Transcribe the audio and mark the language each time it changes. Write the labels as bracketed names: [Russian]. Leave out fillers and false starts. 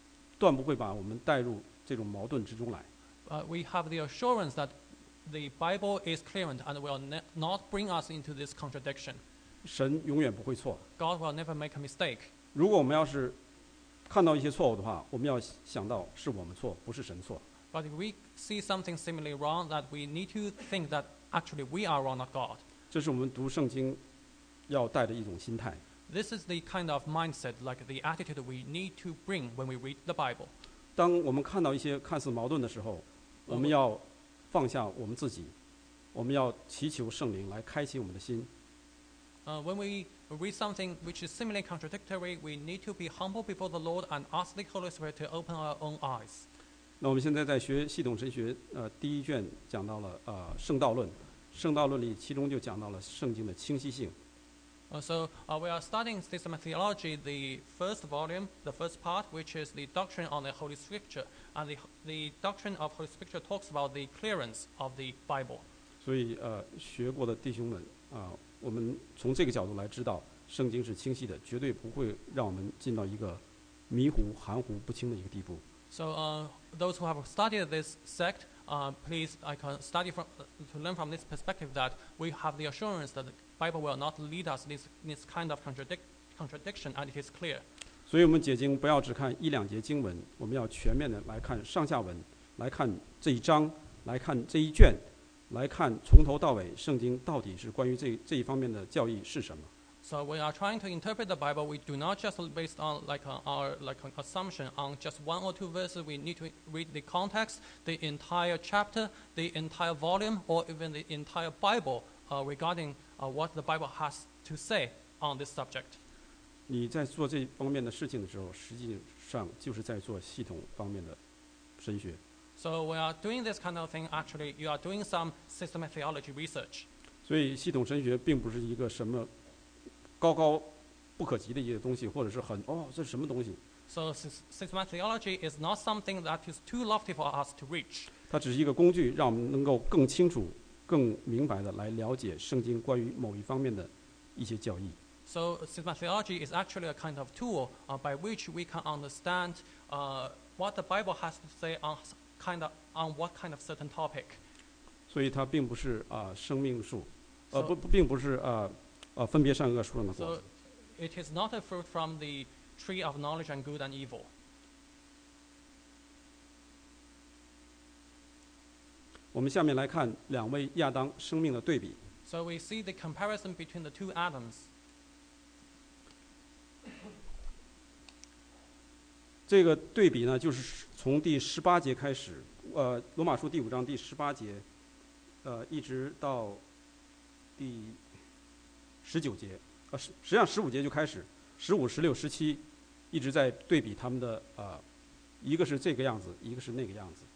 [Chinese] 第一，我们一定要确信圣经是清晰的，断不会把我们带入这种矛盾之中来。 [English] We have the assurance that the Bible is clear and will not bring us into this contradiction. [Chinese] 神永远不会错。God [English] will never make a mistake. [Chinese] 如果我们要是看到一些错误的话，我们要想到是我们错，不是神错。 [English] But if we see something similarly wrong, that we need to think that actually we are wrong, not God. [Chinese] 这是我们读圣经要带的一种心态。 [English] This is the kind of mindset, like the attitude we need to bring when we read the Bible. [Chinese] 当我们看到一些看似矛盾的时候, 我们要放下我们自己, 我们要祈求圣灵来开启我们的心。 [English] When we read something which is seemingly contradictory, we need to be humble before the Lord and ask the Holy Spirit to open our own eyes. [Chinese] 那我们现在在学系统神学，第一卷讲到了圣道论，圣道论里其中就讲到了圣经的清晰性。 [English] We are studying system theology, the first volume, the first part, which is the doctrine on the Holy Scripture, and the doctrine of Holy Scripture talks about the clearance of the Bible. [Chinese] 所以学过的弟兄们我们从这个角度来知道圣经是清晰的，绝对不会让我们进到一个迷糊含糊不清的一个地步。 [English] Those who have studied this sect, please, I can study from, to learn from this perspective that we have the assurance that the Bible will not lead us this kind of contradiction, and it is clear. [Chinese] 所以我们解经不要只看一两节经文，我们要全面的来看上下文，来看这一章，来看这一卷，来看从头到尾圣经到底是关于这一方面的教义是什么。 [English] So we are trying to interpret the Bible. We do not just based on our assumption on just one or two verses. We need to read the context, the entire chapter, the entire volume, or even the entire Bible regarding what the Bible has to say on this subject. [Chinese] 你在做这方面的事情的时候，实际上就是在做系统方面的神学。 [English] So we are doing this kind of thing. Actually, you are doing some systematic theology research. [Chinese] 所以系统神学并不是一个什么高高不可及的一些东西，或者是很哦，这是什么东西 [English] ？So systematic theology is not something that is too lofty for us to reach. [Chinese] 它只是一个工具，让我们能够更清楚、更明白的来了解圣经关于某一方面的一些教义。 [English] So systematic theology is actually a kind of tool by which we can understand what the Bible has to say on what kind of certain topic. [Chinese] 所以它并不是生命树，并不是分别善恶树上的果子。 [English] So, it is not a fruit from the tree of knowledge and good and evil. [Chinese] 我们下面来看两位亚当生命的对比。 [English] So we see the comparison between the two Adams. [Chinese] 这个对比呢，就是从第十八节开始，罗马书第五章第十八节，一直到第十九节，实际上十五节就开始，十五、十六、十七，一直在对比他们的一个是这个样子，一个是那个样子。